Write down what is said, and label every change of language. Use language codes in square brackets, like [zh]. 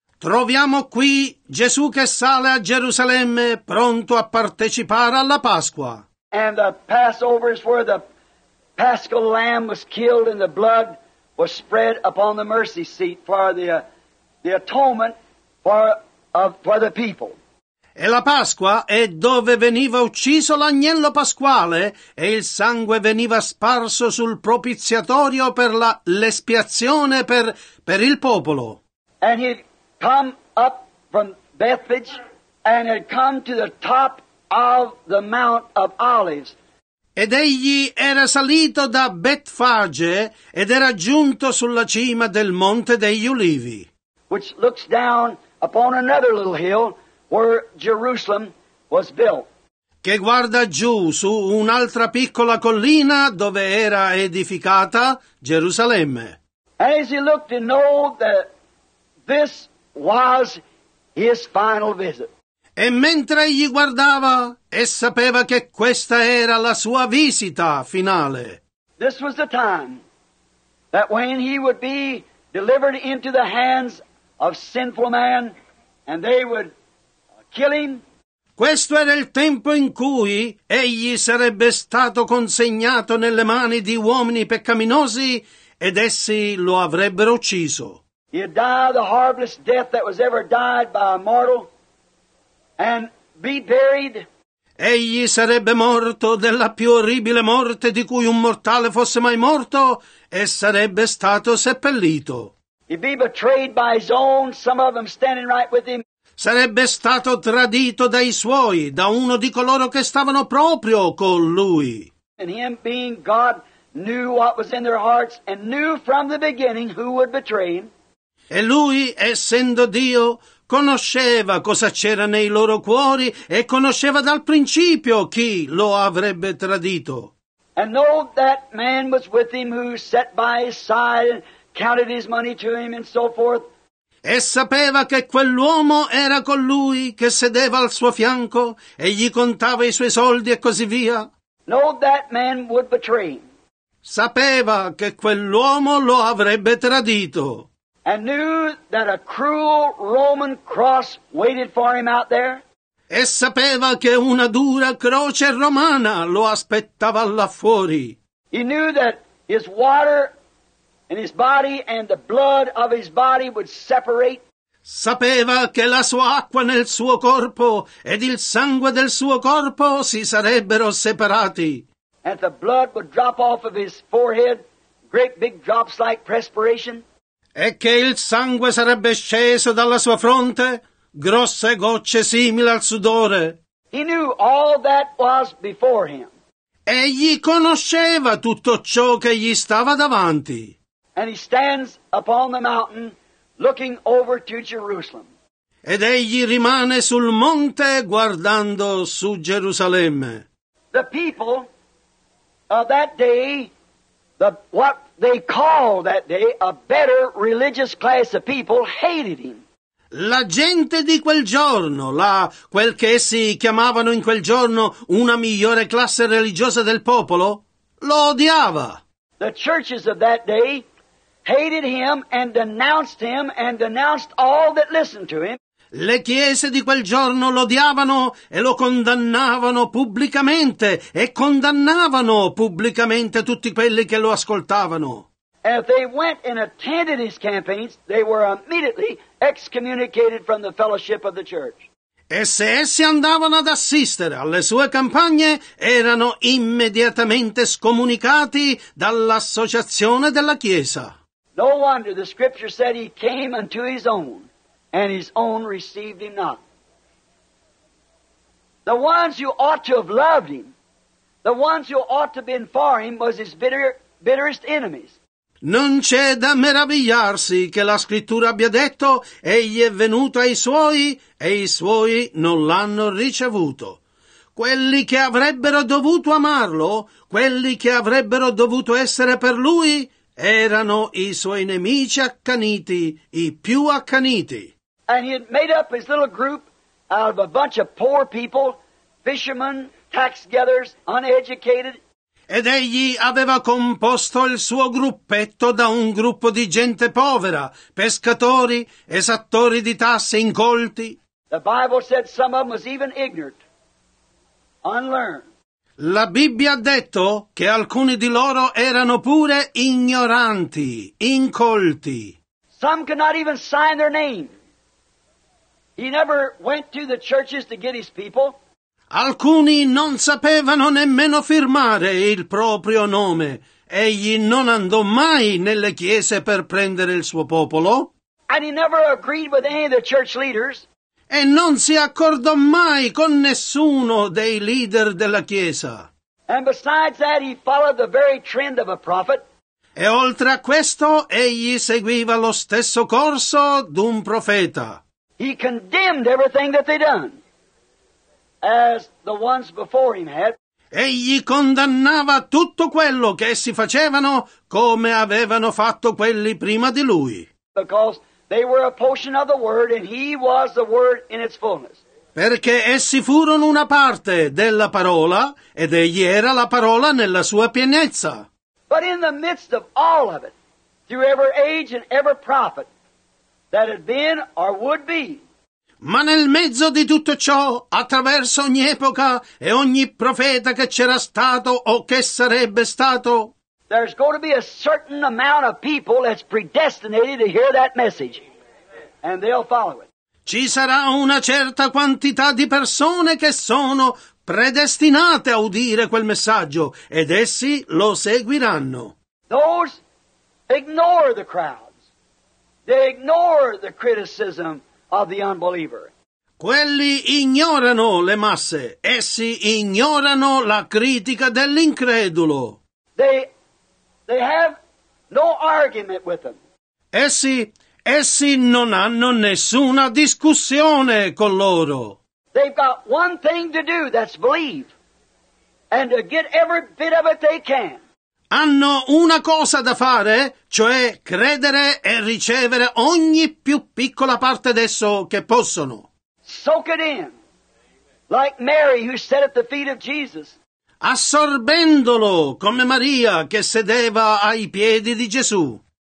[it] Troviamo qui Gesù che sale a Gerusalemme pronto a partecipare alla Pasqua. [en] And the Passover is where the Paschal lamb was killed and the blood was spread upon the mercy seat for the atonement for the people. [it] E la Pasqua è dove veniva ucciso l'agnello pasquale e il sangue veniva sparso sul propiziatorio per l'espiazione per il popolo. [en] And come up from Bethphage and had come to the top of the Mount of Olives. [it] Ed egli era salito da Betfage ed era giunto sulla cima del Monte degli Ulivi. [en] Which looks down upon another little hill where Jerusalem was built. [it] Che guarda giù su un'altra piccola collina dove era edificata Gerusalemme. [en] As he looked to know that this was his final visit. [it] E mentre egli guardava e sapeva che questa era la sua visita finale. [en] This was the time that when he would be delivered into the hands of sinful man and they would kill him. [it] Questo era il tempo in cui egli sarebbe stato consegnato nelle mani di uomini peccaminosi ed essi lo avrebbero ucciso. [en] He'd die the horriblest death that was ever died by a mortal and be buried. [it] Egli sarebbe morto della più orribile morte di cui un mortale fosse mai morto e sarebbe stato seppellito. [en] He'd be betrayed by his own, some of them standing right with him. [it] Sarebbe stato tradito dai suoi, da uno di coloro che stavano proprio con lui. [en] And him being God knew what was in their hearts and knew from the beginning who would betray him. [it] E lui, essendo Dio, conosceva cosa c'era nei loro cuori e conosceva dal principio chi lo avrebbe tradito. [en] And know that man was with him who sat by his side and counted his money to him and so forth. [it] E sapeva che quell'uomo era colui che sedeva al suo fianco e gli contava i suoi soldi e così via. [en] Know that man would betray him. [it] Sapeva che quell'uomo lo avrebbe tradito. [en] And knew that a cruel Roman cross waited for him out there. [it] E sapeva che una dura croce romana lo aspettava là fuori. [en] He knew that his water and his body and the blood of his body would separate. [it] Sapeva che la sua acqua nel suo corpo ed il sangue del suo corpo si sarebbero separati. [en] And the blood would drop off of his forehead, great big drops like perspiration. [it] E che il sangue sarebbe sceso dalla sua fronte, grosse gocce simili al sudore. [en] He knew all that was before him. [it] Egli conosceva tutto ciò che gli stava davanti. [en] And he stands upon the mountain looking over to Jerusalem. [it] Ed egli rimane sul monte guardando su Gerusalemme. [en] The people of that day, what they called that day a better religious class of people, hated him. [it] La gente di quel giorno, quel che essi chiamavano in quel giorno una migliore classe religiosa del popolo, lo odiava. [en] The churches of that day hated him and denounced him and denounced all that listened to him. [it] Le chiese di quel giorno lo odiavano e lo condannavano pubblicamente e condannavano pubblicamente tutti quelli che lo ascoltavano. [en] And if they went and attended his campaigns, they were immediately excommunicated from the fellowship of the church. [it] E se essi andavano ad assistere alle sue campagne, erano immediatamente scomunicati dall'associazione della Chiesa. [en] No wonder the scripture said he came unto his own, and his own received him not. The ones who ought to have loved him, the ones who ought to have been for him, was his bitterest enemies. [it] Non c'è da meravigliarsi che la scrittura abbia detto egli è venuto ai suoi e i suoi non l'hanno ricevuto. Quelli che avrebbero dovuto amarlo, quelli che avrebbero dovuto essere per lui, erano i suoi nemici accaniti, i più accaniti. [en] And he had made up his little group out of a bunch of poor people, fishermen, tax gatherers, uneducated. [it] Ed egli aveva composto il suo gruppetto da un gruppo di gente povera, pescatori, esattori di tasse, incolti. [en] The Bible said some of them was even ignorant, unlearned. [it] La Bibbia ha detto che alcuni di loro erano pure ignoranti, incolti. [en] Some could not even sign their name. He never went to the churches to get his people. [it] Alcuni non sapevano nemmeno firmare il proprio nome. Egli non andò mai nelle chiese per prendere il suo popolo. [en] And he never agreed with any of the church leaders. [it] E non si accordò mai con nessuno dei leader della chiesa. [en] And besides that, he followed the very trend of a prophet. [it] E oltre a questo, egli seguiva lo stesso corso d'un profeta. [en] He condemned everything that they'd done. As the ones before him had. [it] Egli condannava tutto quello che essi facevano come avevano fatto quelli prima di lui. [en] Because they were a portion of the word and he was the word in its fullness. [it] Perché essi furono una parte della parola ed egli era la parola nella sua pienezza. [en] But in the midst of all of it, through every age and every prophet that had been or would be. [it] Ma nel mezzo di tutto ciò, attraverso ogni epoca e ogni profeta che c'era stato o che sarebbe stato, [en] there's going to be a certain amount of people that's predestinated to hear that message, and they'll follow it. [it] Ci sarà una certa quantità di persone che sono predestinate a udire quel messaggio, ed essi lo seguiranno. [en] Those ignore the crowds. They ignore the criticism. Of the unbeliever. [it] Quelli ignorano le masse, essi ignorano la critica dell'incredulo. [en] They They have no argument with them. [it] Essi non hanno nessuna discussione con loro. [en] They've got one thing to do, that's believe. And to get every bit of it they can. [it] Hanno una cosa da fare, cioè credere e ricevere ogni più piccola parte d'esso che possono. [en] Soak it in, like Mary who sat at the feet of Jesus. [it] Assorbendolo come Maria che sedeva ai piedi di Gesù.